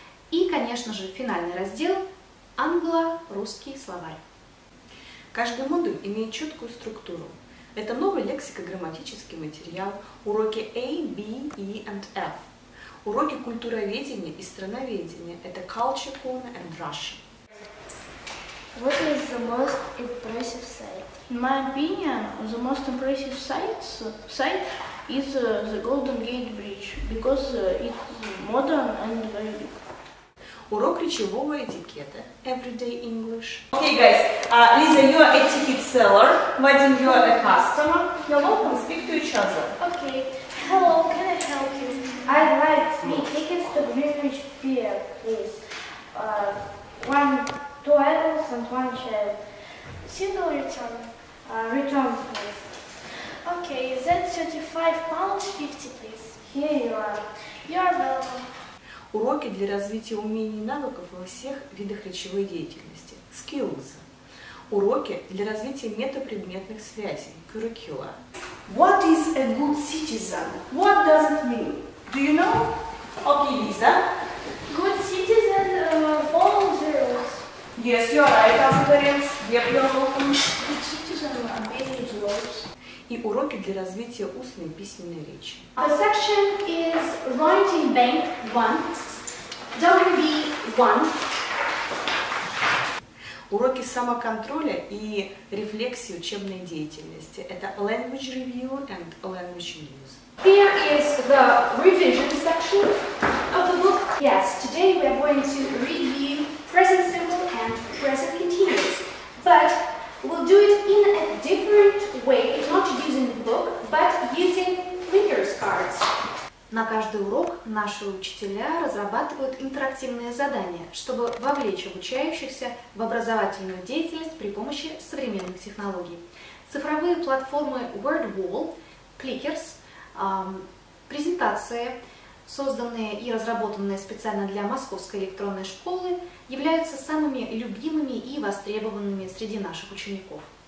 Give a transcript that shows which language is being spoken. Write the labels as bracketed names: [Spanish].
[Russian] И, конечно же, финальный раздел – англо-русский словарь. Каждый модуль имеет четкую структуру. Это новый лексико-грамматический материал, уроки A, B, E and F. Уроки культуроведения и страноведения – это Culture Corner and Russian. [English] What is the most impressive sight? In my opinion, the most impressive sight is the Golden Gate Bridge, because it's modern and very big. [Russian] Урок речевого этикета Everyday English. [English] Okay, guys. Lisa, you are a ticket seller. Vadim, you are a customer. You're welcome. Speak to each other. Okay. Hello. Can I help you? I'd like three tickets to Greenwich Pier, please. Two adults and one child. Single return. Return, please. Okay. Is that £35.50, please? Here you are. You are welcome. [Russian] Уроки для развития умений и навыков во всех видах речевой деятельности – skills. Уроки для развития метапредметных связей – curricula. [English] What is a good citizen? What does it mean? Do you know? Okay, Lisa. Good citizen follows the rules. Yes, you are right, Asperens. Yep, you are welcome. Good citizen obeys the rules. [Russian] И уроки для развития устной и письменной речи. [English] The section is Writing Bank 1, WB 1. [Russian] Уроки самоконтроля и рефлексии учебной деятельности. Это [English] Language Review and Language Use. Here is the revision section of the book. Yes, today we are going to review present simple and present continuous. But we'll do it in a different way, not using the book, but using readers' cards. [Russian] На каждый урок наши учителя разрабатывают интерактивные задания, чтобы вовлечь обучающихся в образовательную деятельность при помощи современных технологий. Цифровые платформы WordWall, Clickers, презентации, созданные и разработанные специально для Московской электронной школы, являются самыми любимыми и востребованными среди наших учеников.